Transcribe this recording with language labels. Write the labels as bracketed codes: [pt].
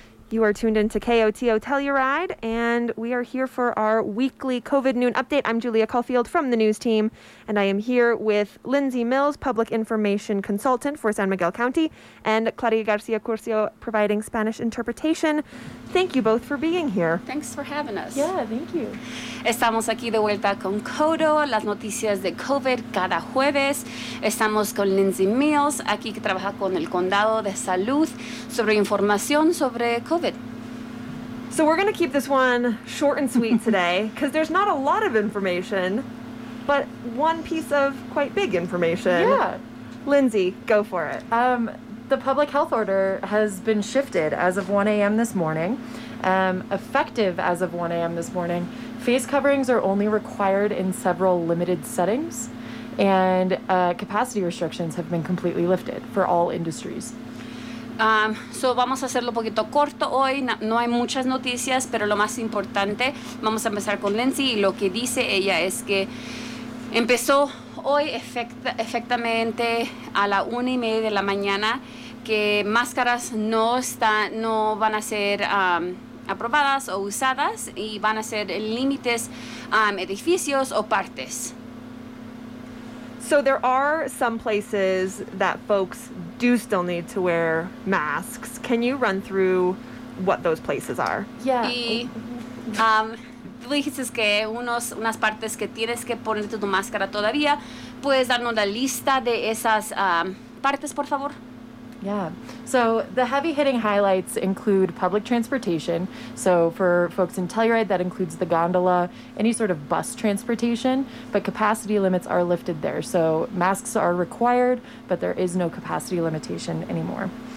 [en] You are tuned into KOTO Telluride, and we are here for our weekly COVID noon update. I'm Julia Caulfield from the news team, and I am here with Lindsay Mills, public information consultant for San Miguel County, and Claudia Garcia Curcio, providing Spanish interpretation. Thank you both for being here. Thanks for having us. Yeah, thank you. [es] Estamos aquí de vuelta con CODO, las noticias de COVID cada jueves. Estamos con Lindsay Mills, aquí que trabaja con el Condado de Salud, sobre información sobre COVID. [en] So we're going to keep this one short and sweet today, because there's not a lot of information, but one piece of quite big information. Yeah. Lindsay, go for it. The public health order has been shifted as of 1 a.m. this morning. Effective as of 1 a.m. this morning, face coverings are only required in several limited settings, and capacity restrictions have been completely lifted for all industries. [es] So vamos a hacerlo un poquito corto hoy. No hay muchas noticias, pero lo más importante, vamos a empezar con Lindsay, y lo que dice ella es que empezó hoy efectivamente a la 1:30 de la mañana que máscaras no van a ser aprobadas o usadas y van a ser límites edificios o partes. [en] So there are some places that folks do still need to wear masks. Can you run through what those places are? Yeah. [es] Tú dijiste que unas partes que tienes que ponerte tu máscara todavía. ¿Puedes darnos la lista de esas partes, por favor? [en] Yeah. So the heavy-hitting highlights include public transportation. So for folks in Telluride, that includes the gondola, any sort of bus transportation. But capacity limits are lifted there. So masks are required, but there is no capacity limitation anymore.